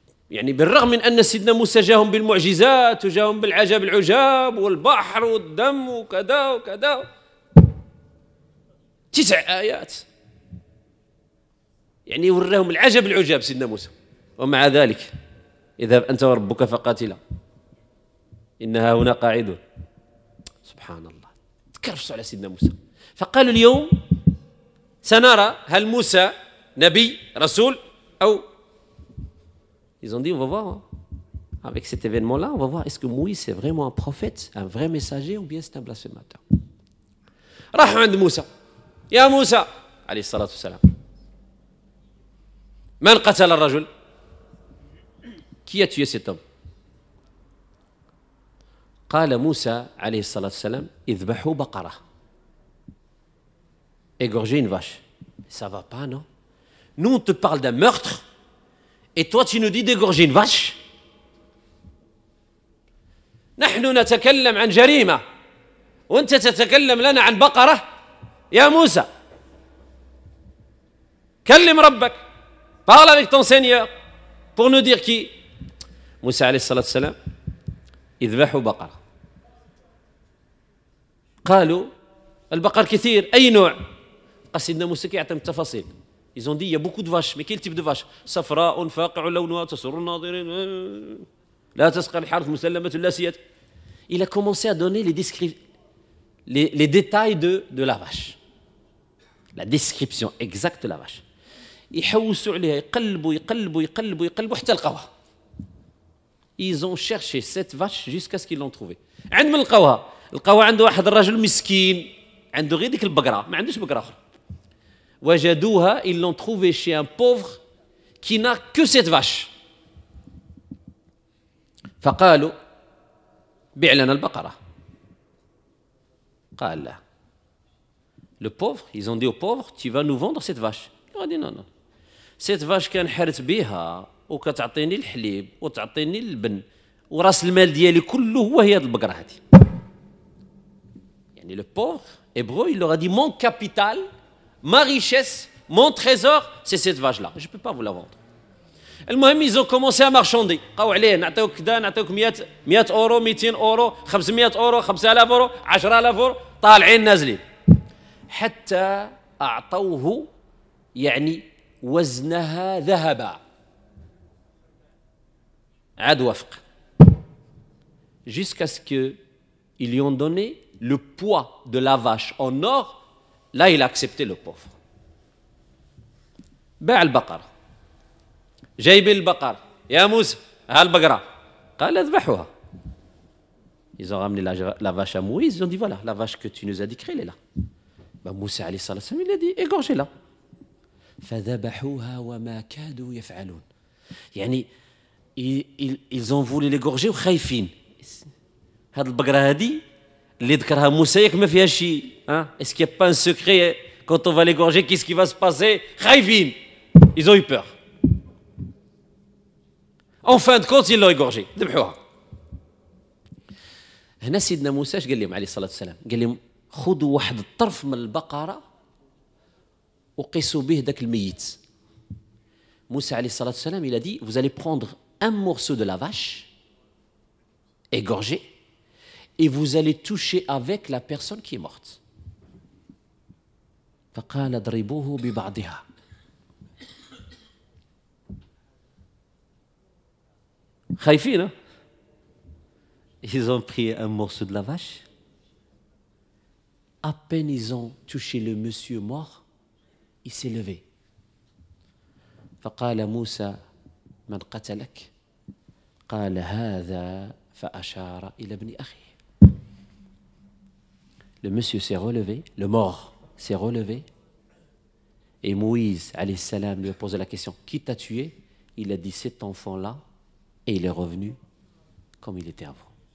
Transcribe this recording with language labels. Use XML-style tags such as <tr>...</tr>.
<ar>يعني بالرغم من أن سيدنا موسى جاهم بالمعجزات وجاهم بالعجب العجاب والبحر والدم وكذا وكذا تسع آيات يعني يوريهم العجب العجاب سيدنا موسى. ومع ذلك اذهب أنت وربك فقاتلا إنها هنا قاعدة. سبحان الله، تكرفصوا على سيدنا موسى. فقالوا اليوم سنرى هل موسى نبي رسول أو</ar> <fr>ils ont dit on va voir avec cet événement là on va voir est-ce que Moïse est vraiment un prophète un vrai messager ou bien c'est un blasphémateur.</fr> <ar>راحوا عند موسى. يا موسى عليه الصلاة والسلام، من قتل الرجل؟</ar> <fr>Qui a tué cet homme؟</fr> <ar>قال موسى عليه الصلاة والسلام اذبحوا بقرة.</ar> <fr>Égorger une vache. Ça va pas, non? Nous, on te parle d'un meurtre et toi, tu nous dis d'égorger une vache.</fr> <ar>نحن نتكلم عن جريمة وانت تتكلم لنا عن بقرة. يا موسى كلم ربك.</ar> <fr>Parle avec ton Seigneur pour nous dire qui.</fr> <ar>موسى عليه الصلاة والسلام اذبحوا بقرة. قالوا البقر كثير، أي نوع؟ قال سيدنا موسى كيعطيهم التفاصيل.</ar> <fr>Ils ont dit il y a beaucoup de vaches. Mais quel type de vache؟</fr> <ar>صفراء فاقع لونها تسر الناظرين لا تسقى الحرث مسلمة لا سيات.</ar> <fr>Il a commencé à donner les détails de la vache. La description exacte de la vache.</fr> <ar>يحوسوا عليها، يقلبوا يقلبوا يقلبوا يقلبوا حتى لقوها.</ar> <fr>Ils ont cherché cette vache jusqu'à ce qu'ils l'ont trouvée.</fr> <ar>عند من لقوها؟ لقوها عند واحد الرجل مسكين عنده غير ديك البقرة، ما عندوش بقرة أخرى. وجدوها،</ar> <fr>ils l'ont trouvée chez un pauvre qui n'a que cette vache.</fr> <ar>فقالوا بيع لنا البقرة. قال لا.</ar> <fr>Le pauvre, ils ont dit au pauvre, tu vas nous vendre cette vache. Il a dit non, non. Cette vache</fr> <ar>كان حرت بها وكتعطيني الحليب وتعطيني اللبن وراس المال ديالي كله هو هي هاد البقرة هادي.</ar> <fr>يعني le pauvre hébreu il leur a dit mon capital, ma richesse, mon trésor, c'est cette vache là, je peux pas vous la vendre.</fr> <ar>المهم</ar> <fr>ils ont commencé à marchander.</fr> <ar>قالوا عليه نعطيوك كذا نعطيوك 100 اورو 200 اورو 500 اورو 5000 اورو 10000 اورو طالعين نازلين حتى اعطوه يعني وزنها ذهبا. عاد وافق.</ar> <fr>Jusqu'à ce qu'ils lui ont donné le poids de la vache en or, là il a accepté le pauvre.</fr> <ar>باع البقر. جايبين البقر. يا موسى ها البقرة. قال اذبحوها.</ar> <fr>Ils ont ramené la vache à Moïse. Ils ont dit voilà, la vache que tu nous as décrite, elle est là. Ben موسى</fr> <ar>عليه الصلاة والسلام,</ar> <fr>il a dit égorgez-la.</fr> <ar>فذبحوها وما كادوا يفعلون.</ar> <fr>يعني ils ont voulu l'égorger</fr> <ar>وخايفين. هذه البقرة هذه اللي ذكرها موسى ياك ما فيها شيء.</ar> <fr>Est-ce qu'il n'y a pas un secret quand on va l'égorger, qu'est-ce qui va se passer?</fr> <ar>خايفين.</ar> <fr>Ils ont eu peur. En fin de compte, ils l'ont égorgé.</fr> <ar>ذبحوها. هنا سيدنا موسى اش قال لهم عليه الصلاة والسلام؟ قال لهم خذوا واحد الطرف من البقرة وقيسوا به ذاك الميت.</ar> <fr>موسى</fr> <ar>عليه الصلاة والسلام</ar> <fr>il a dit vous allez prendre un morceau de la vache égorgée et vous allez toucher avec la personne qui est morte.</fr> <ar>فقال ضربوه ببعضها. خايفين.</ar> <fr>Ils ont pris un morceau de la vache. À peine ils ont touché le monsieur mort, il s'est levé.</fr> <ar>فقال موسى من قتلك؟ قال هذا فأشار إلى ابن أخيه.</ar> <fr>Le monsieur s'est relevé, le mort s'est relevé. Et Moïse, alayhi salam, lui a posé la question, qui t'a tué? Il a dit cet enfant-là. Et il est revenu comme il était avant.</fr>